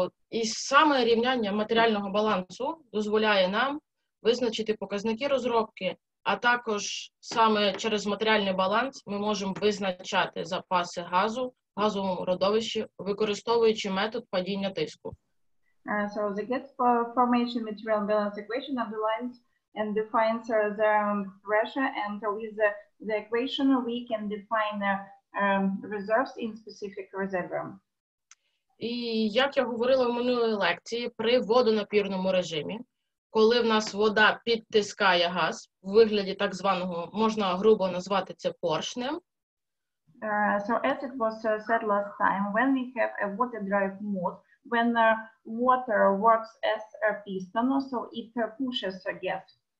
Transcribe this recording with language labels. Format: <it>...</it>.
<uk>І саме рівняння матеріального балансу дозволяє нам визначити показники розробки. А також саме через матеріальний баланс ми можемо визначати запаси газу в газовому родовищі, використовуючи метод падіння тиску.</uk> <en>So the gas formation material balance equation underlines and defines the pressure, and with the equation we can define the reserves in specific reservoir.</en> <uk>І як я говорила в минулій лекції, при водонапірному режимі, коли в нас вода підтискає газ в вигляді так званого, можна грубо назвати це поршнем.</uk> <en>So as it was said last time, when we have a water drive mode, when water works as a piston, so it pushes the gas.</en>